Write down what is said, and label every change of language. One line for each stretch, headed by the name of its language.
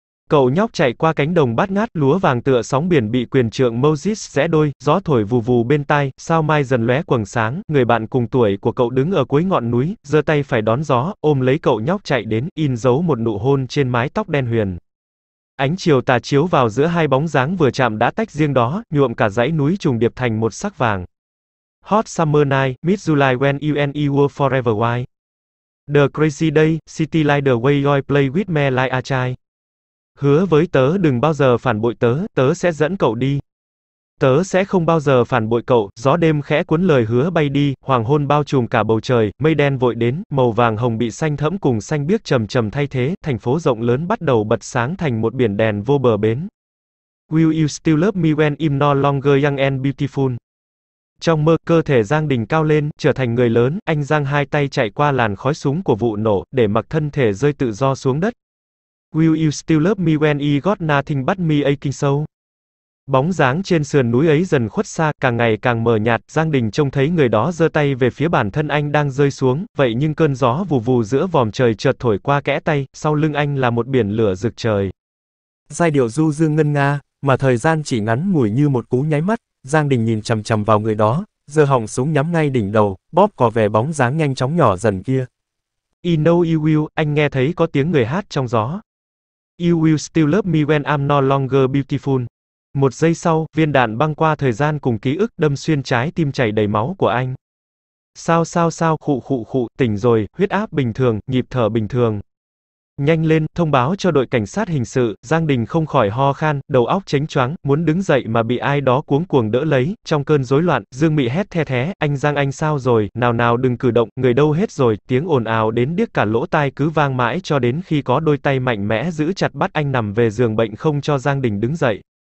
Vietnamese: Cậu nhóc chạy qua cánh đồng bát ngát, lúa vàng tựa sóng biển bị quyền trượng Moses rẽ đôi, gió thổi vù vù bên tai, sao mai dần lóe quầng sáng, người bạn cùng tuổi của cậu đứng ở cuối ngọn núi, giơ tay phải đón gió, ôm lấy cậu nhóc chạy đến, in dấu một nụ hôn trên mái tóc đen huyền. Ánh chiều tà chiếu vào giữa hai bóng dáng vừa chạm đã tách riêng đó, nhuộm cả dãy núi trùng điệp thành một sắc vàng.
English: Hot summer night, mid July when you and you were forever wild. The crazy day, city like the way you play with me like a child.
Vietnamese: Hứa với tớ đừng bao giờ phản bội tớ, tớ sẽ dẫn cậu đi. Tớ sẽ không bao giờ phản bội cậu, gió đêm khẽ cuốn lời hứa bay đi, hoàng hôn bao trùm cả bầu trời, mây đen vội đến, màu vàng hồng bị xanh thẫm cùng xanh biếc trầm trầm thay thế, thành phố rộng lớn bắt đầu bật sáng thành một biển đèn vô bờ bến.
English: Will you still love me when I'm no longer young and beautiful?
Vietnamese: Trong mơ, cơ thể Giang Đình cao lên, trở thành người lớn, anh giang hai tay chạy qua làn khói súng của vụ nổ, để mặc thân thể rơi tự do xuống đất.
English: Will you still love me when I got nothing but me aching so?
Vietnamese: Bóng dáng trên sườn núi ấy dần khuất xa, càng ngày càng mờ nhạt, Giang Đình trông thấy người đó giơ tay về phía bản thân anh đang rơi xuống, vậy nhưng cơn gió vù vù giữa vòm trời chợt thổi qua kẽ tay, sau lưng anh là một biển lửa rực trời. Giai điệu du dương ngân nga, mà thời gian chỉ ngắn ngủi như một cú nháy mắt, Giang Đình nhìn chằm chằm vào người đó, giơ họng súng nhắm ngay đỉnh đầu, bóp cò vè bóng dáng nhanh chóng nhỏ dần kia. Ino Iwiu, anh nghe thấy có tiếng người hát trong gió.
English: You will still love me when I'm no longer beautiful.
Vietnamese: Một giây sau, viên đạn băng qua thời gian cùng ký ức, đâm xuyên trái tim chảy đầy máu của anh. Sao sao sao, khụ khụ khụ, tỉnh rồi, huyết áp bình thường, nhịp thở bình thường. Nhanh lên, thông báo cho đội cảnh sát hình sự, Giang Đình không khỏi ho khan, đầu óc chánh choáng, muốn đứng dậy mà bị ai đó cuống cuồng đỡ lấy, trong cơn rối loạn, Dương Mị hét the thé, anh Giang anh sao rồi, nào nào đừng cử động, người đâu hết rồi, tiếng ồn ào đến điếc cả lỗ tai cứ vang mãi cho đến khi có đôi tay mạnh mẽ giữ chặt bắt anh nằm về giường bệnh không cho Giang Đình đứng dậy.